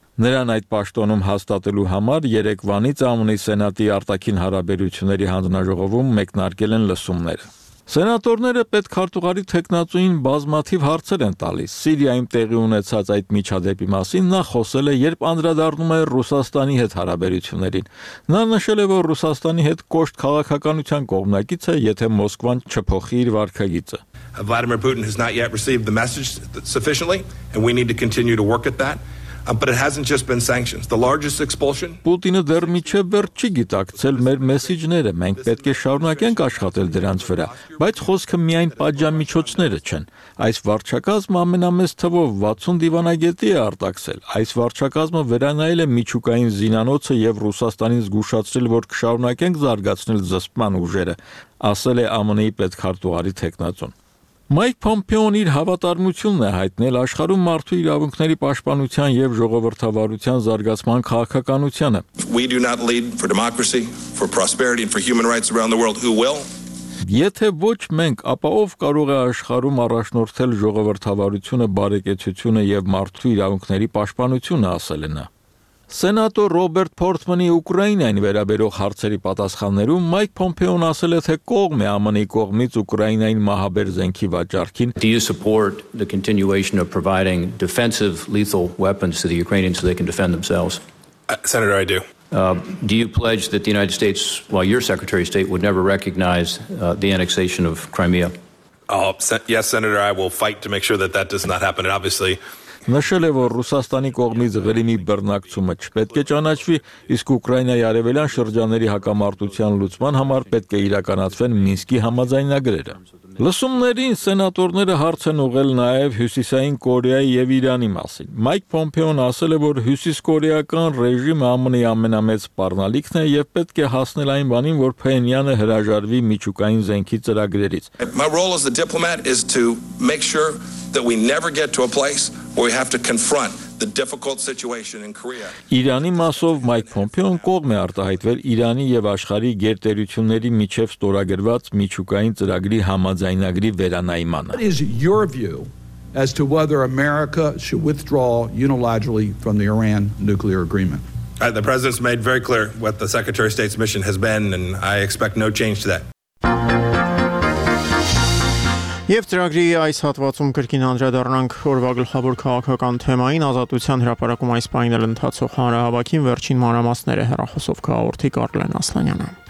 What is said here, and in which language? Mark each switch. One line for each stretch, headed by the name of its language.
Armenian: Նրան այդ պաշտոնում հաստատելու համար Երևանից ԱՄՆ-ի սենատի արտաքին հարաբերությունների հանձնաժողովում մեկնարկել են լսումներ։ Սենատորները պետքարտուղարի թեկնածուին բազմաթիվ հարցեր են տալիս։ Սիրիայում տեղի ունեցած այդ միջադեպի մասին նա խոսել է, երբ անդրադառնում է Ռուսաստանի հետ հարաբերություններին։ Նա նշել է, որ Ռուսաստանի հետ կոշտ քաղաքականության կողմնակից է, եթե Մոսկվան չփոխի իր վարքագիծը։
English: Vladimir Putin has not yet received the message sufficiently and we need to continue to work at that. But it hasn't just been sanctions. The largest expulsion.
Armenian: Պուտինը դեռ միջև վերջ չի գիտակցել մեր մեսիջները, մենք պետք է շարունակենք աշխատել դրանց վրա, բայց խոսքը միայն պատժամիջոցները չեն։ Այս վարչակազմը ամենամեծ թվով 60 դիվանագետի է արտաքսել։ Այս վարչակազմը վերանայել է միջուկային զինանոցը եւ Ռուսաստանին զգուշացրել, որ կշարունակենք զարգացնել զսպման ուժերը, ասել է ԱՄՆ-ի պետքարտուղարի թեկնածուն։ Մայք Փոմպեոն իր հավատարմությունն է հայտնել աշխարհում մարդու իրավունքների պաշտպանության և ժողովրդավարության զարգացման քաղաքականությանը։
English: We do not lead for democracy, for prosperity and for human rights around the world. Who will?
Armenian: Եթե ոչ մենք, ապա ով կարող է աշխարհում առաջնորդել ժողովրդավարությունը, բարեկեցությունը և մարդու իրավունքների պաշտպանությունը, ասել է նա։ Սենատոր Ռոբերտ Պորտմանի Ուկրաինային վերաբերող հարցերի պատասխաններում Մայք Փոմպեոն ասել է, թե կողմ է ԱՄՆ-ի կողմից Ուկրաինային մահաբեր զենքի վաճառքին։
English: Do you support the continuation of providing defensive lethal weapons to the Ukrainians so they can defend themselves? Senator, I do. Do you pledge that the United States, while your Secretary of State, would never recognize the annexation of Crimea? Yes, Senator, I will fight to make sure that that does not happen. And obviously,
Armenian: նշել է, որ Ռուսաստանի կողմից Ղրիմի բռնակցումը չպետք է ճանաչվի, իսկ Ուկրաինայի արևելյան շրջանների հակամարտության լուծման համար պետք է իրականացվեն Մինսկի համաձայնագրերը։ Լսումներին սենատորները հարց են ուղղել նաև Հյուսիսային Կորեայի և Իրանի մասին։ Մայք Փոմպեոն ասել է, որ հյուսիսկորեական ռեժիմը ԱՄՆ-ի ամենամեծ պարնալիքն է և պետք է հասնել այն բանին, որ Փենյանը հրաժարվի միջուկային զենքի ծրագրերից։
English: That we never get to a place where we have to confront the difficult situation in Korea.
Armenian: Իրանի մասով Մայք Փոմպեոն կողմ է արտահայտվել Իրանի եւ աշխարհի գերտերությունների միջև ստորագրված միջուկային ծրագրի համաձայնագրի վերանայմանը.
English: What is your view as to whether America should withdraw unilaterally from the Iran nuclear agreement? The president's made very clear what the Secretary of State's mission has been and I expect no change to that.
Armenian: Եվ ծրագրի այս հատվածում կրկին անդրադառնանք օրվա գլխավոր քաղաքական թեմային՝ ազատության հրապարակում այս պահին ընթացող հանրահավաքին վերջին մանրամասները հեռախոսով կարդալու Կարլեն Ասլանյանը։